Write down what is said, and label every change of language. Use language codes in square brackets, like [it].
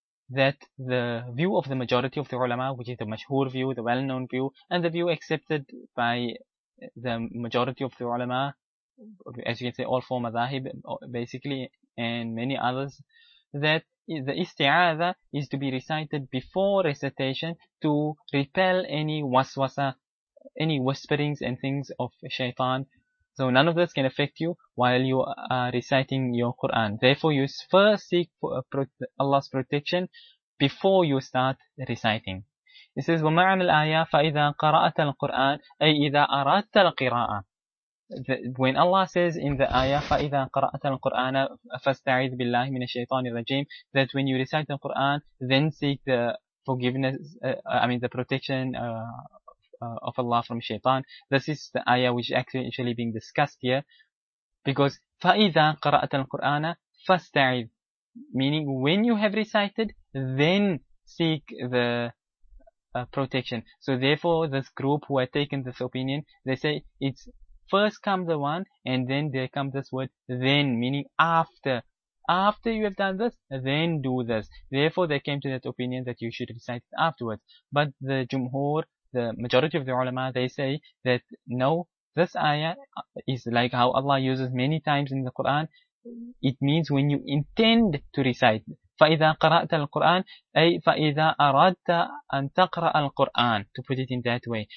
[en] That the view of the majority of the ulama, which is the mashhur view, the well-known view, and the view accepted by the majority of the ulama, as you can say, all four madhahib, basically, and many others, that the isti'adha is to be recited before recitation to repel any waswasa, any whisperings and things of shaitan. So none of this can affect you while you are reciting your Quran. Therefore, you first seek for Allah's protection before you start reciting. It says, [ar] وَمَعْنَ الْآيَةِ فَإِذَا قَرَأَتَ الْقُرْآنَ أَيْ إِذَا أَرَادْتَ الْقِرَاءَةَ. [en] When Allah says in the ayah, [ar] فَإِذَا قَرَأَتَ الْقُرْآنَ فَاسْتَعِذْ بِاللَّهِ مِنَ الشَّيْطَانِ الرَّجِيمِ, [en] that when you recite the Quran, then seek the forgiveness, the protection of Allah from shaitan. This is the ayah which is actually being discussed here, because [ar] فَإِذَا قَرَأَتَ الْقُرْآنَ فَاسْتَعِذْ, [en] meaning when you have recited, then seek the protection. So therefore, this group who have taken this opinion, they say it's first come the one, and then there comes this word then, meaning after you have done this, then do this. Therefore, they came to that opinion that you should recite it afterwards. But the jumhur, the majority of the ulama, they say that no, this ayah is like how Allah uses many times in the Quran. It means when you intend to recite. [ar] فَإِذَا قَرَأْتَ الْقُرْآنَ أي فَإِذَا أَرَادْتَ أَن تَقْرَأَ الْقُرْآنَ, [en] to put it in that way.